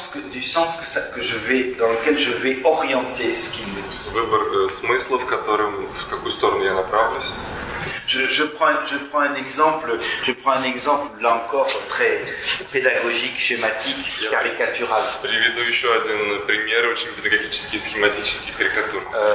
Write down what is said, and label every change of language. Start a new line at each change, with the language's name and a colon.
French: Du sens dans lequel je vais orienter ce qu'il me dit.
Russian: Выбор смысла, в какую сторону я направлюсь.
French: Je prends un exemple là encore très pédagogique, schématique, caricatural.
Russian: Приведу еще один пример очень педагогический, схематический, карикатурный.